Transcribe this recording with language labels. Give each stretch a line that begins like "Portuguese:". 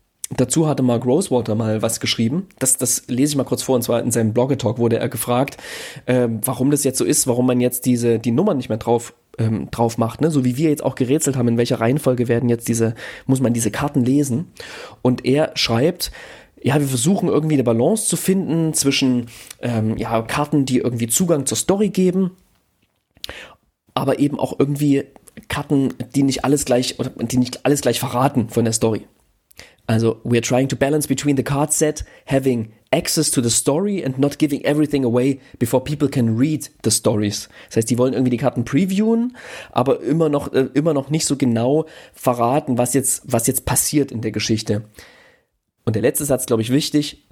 German: Dazu hatte Mark Rosewater mal was geschrieben, das lese ich mal kurz vor, und zwar in seinem Blogger-Talk wurde er gefragt, warum das jetzt so ist, warum man jetzt die Nummern nicht mehr drauf macht, ne? So wie wir jetzt auch gerätselt haben, in welcher Reihenfolge werden jetzt muss man diese Karten lesen, und er schreibt, ja, wir versuchen irgendwie eine Balance zu finden zwischen Karten, die irgendwie Zugang zur Story geben, aber eben auch irgendwie Karten, die nicht alles gleich verraten von der Story.
English: Also, we're trying to balance between the card set having access to the story and not giving everything away before people can read the stories.
German: Das heißt, die wollen irgendwie die Karten previewen, aber immer noch nicht so genau verraten, was jetzt passiert in der Geschichte. Und der letzte Satz, glaube ich, wichtig.